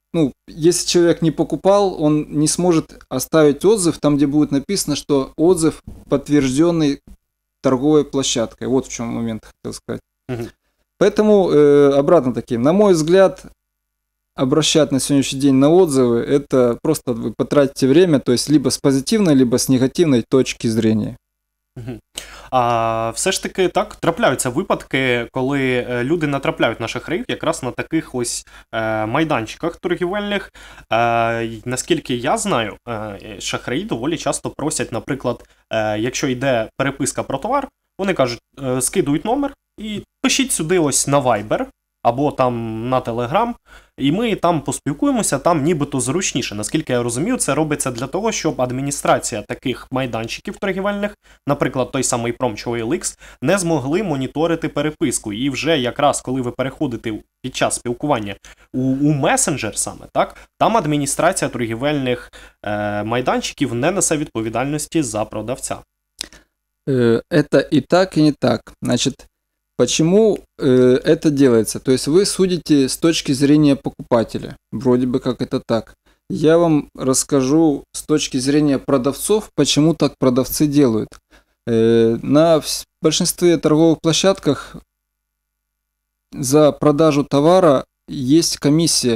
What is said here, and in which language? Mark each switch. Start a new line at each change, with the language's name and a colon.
Russian: ну, если человек не покупал, он не сможет оставить отзыв там, где будет написано, что отзыв подтвержденный торговой площадкой. Вот в чем момент хотел сказать. Поэтому обратно таки, на мой взгляд, обращать на сегодняшний день на отзывы, это просто вы потратите время, то есть либо с позитивной, либо с негативной точки зрения.
Ukrainian: А все ж таки так, трапляються випадки, коли люди натрапляють на шахраїв якраз на таких ось майданчиках торгівельних. Наскільки я знаю, шахраї доволі часто просять, наприклад, якщо йде переписка про товар, вони кажуть, скидують номер і пишіть сюди ось на Viber або там на Telegram, і ми там поспілкуємося, там нібито зручніше. Наскільки я розумію, це робиться для того, щоб адміністрація таких майданчиків торгівельних, наприклад, той самий Prom чи OLX, не змогли моніторити переписку. І вже якраз, коли ви переходите під час спілкування у месенджер саме, так, там адміністрація торгівельних майданчиків не несе відповідальності за продавця.
Russian: Это и так, и не так. Значит, почему это делается? То есть вы судите с точки зрения покупателя. Вроде бы как это так. Я вам расскажу с точки зрения продавцов, почему так продавцы делают. На большинстве торговых площадках за продажу товара есть комиссия.